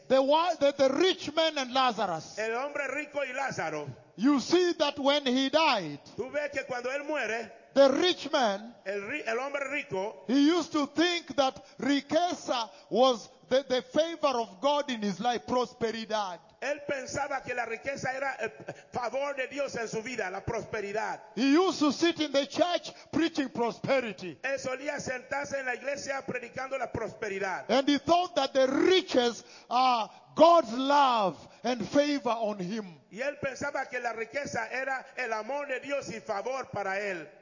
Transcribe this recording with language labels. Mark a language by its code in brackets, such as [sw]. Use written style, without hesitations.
[en] The rich man and Lazarus. [es] El hombre rico y Lázaro. [en] You see that when he died. [es] Tú ves que cuando él muere. [en] The rich man, [es] el hombre rico, [en] he used to think that riqueza was the favor of God in his life, prosperidad. [es] Él pensaba que la riqueza era el favor de Dios en su vida, la prosperidad. [en] He used to sit in the church preaching prosperity. [es] Él solía sentarse en la iglesia predicando la prosperidad. [en] And he thought that the riches are God's love and favor on him. [es] Y él pensaba que la riqueza era el amor de Dios y favor para él.